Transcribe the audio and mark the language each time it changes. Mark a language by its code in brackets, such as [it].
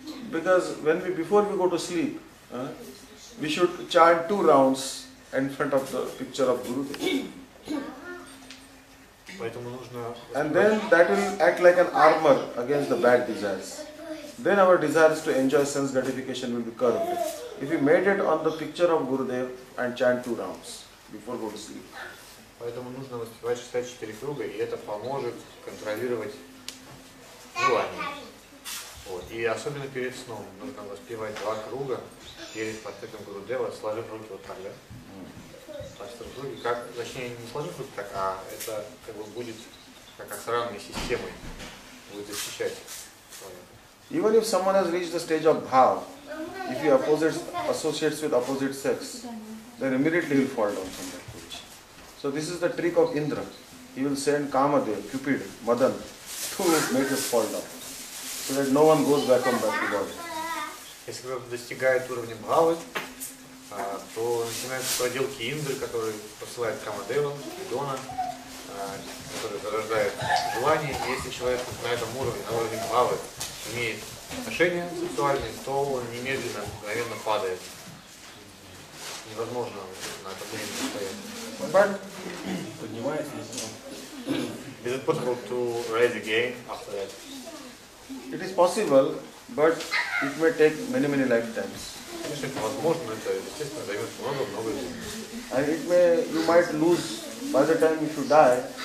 [en] Because before we go to sleep, we should chant 2 rounds in front of the picture of Guru. And then that will act like an armor against the bad desires. then our desires to enjoy sense gratification will be curbed. If we meditate on the picture of Gurudev and chant two rounds before go to sleep. [ru] Поэтому нужно воспевать 64 круга, и это поможет контролировать желание. Вот. И особенно перед сном нужно воспевать два круга перед портретом Гурудева, сложив руки вот так, да? Сложив руки, как, точнее, не сложив руки так, а это как бы будет как охранной системой, будет защищать. [en] Even if someone has reached the stage of bhav, if he associates with opposite sex, then immediately he will fall down somewhere. So this is the trick of Indra. He will send Kamadev, Cupid, Madan to make us fall down, so that no one goes back on back to God. [ru] Если кто-то достигает уровня бхавы, то начинаются проделки Индры, который посылает Камадева, Дона, который зарождает желание. Если человек на этом уровне, на уровне бхавы, имеет отношения сексуальные, то он немедленно, мгновенно падает. Невозможно на это время стоять. [en] But is it possible to rise again after that? It is possible, but it may take many, many lifetimes. And it may, you might lose by the time if you die.